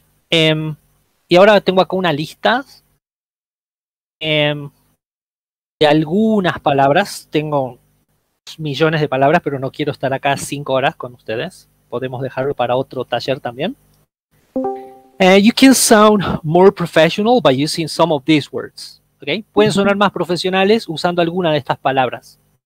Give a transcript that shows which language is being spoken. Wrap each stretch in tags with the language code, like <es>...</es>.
<es>Y ahora tengo acá una lista de algunas palabras. Tengo millones de palabras, pero no quiero estar acá 5 horas con ustedes. Podemos dejarlo para otro taller también.</es> <en>You can sound more professional by using some of these words. Okay?</en> <es>Pueden sonar más profesionales usando alguna de estas palabras.</es>